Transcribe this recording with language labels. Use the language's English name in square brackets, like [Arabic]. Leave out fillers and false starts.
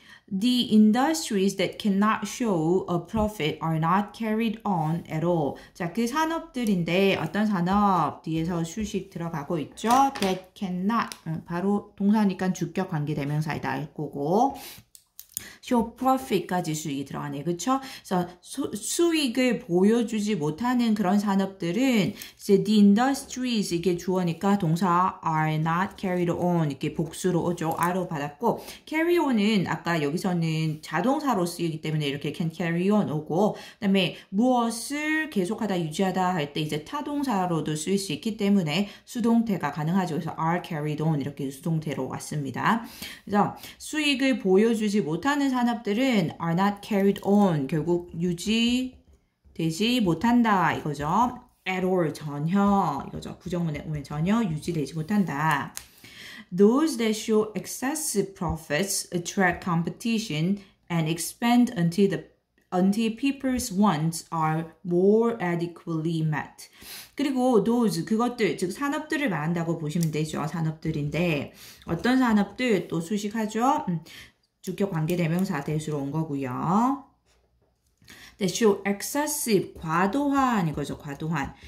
[English] The industries that cannot show a profit are not carried on at all. [Korean] 자, 그 산업들인데 어떤 산업 뒤에서 수식 들어가고 있죠? [English] That cannot. [Korean] 바로 동사니까 주격 관계 대명사이다 할 거고. [English] show profit [Korean] 까지 수익이 들어가네. 그쵸? 그래서 수익을 보여주지 못하는 그런 산업들은 이제 [English] the industries [Korean] 이게 주어니까 동사 [English] are not carried on [Korean] 이렇게 복수로 오죠. are로 받았고 carry on은 아까 여기서는 자동사로 쓰이기 때문에 이렇게 [English] can carry on [Korean] 오고 그다음에 무엇을 계속하다 유지하다 할때 이제 타동사로도 쓰일 수 있기 때문에 수동태가 가능하죠. 그래서 [English] are carried on [Korean] 이렇게 수동태로 왔습니다. 그래서 수익을 보여주지 못하는 산업들은 [English] are not carried on [Korean] 결국 유지되지 못한다 이거죠. [English] at all [Korean] 전혀 이거죠. 부정문에 오면 전혀 유지되지 못한다. [English] Those that show excessive profits attract competition and expand until the until people's wants are more adequately met. [Korean] 그리고 those, 그것들, 즉 산업들을 말한다고 보시면 되죠. 산업들인데 어떤 산업들 또 수식하죠. 주격 관계 대명사 대수로 온 거고요. [English] They show excessive, [Korean] 과도한 이거죠. 과도한.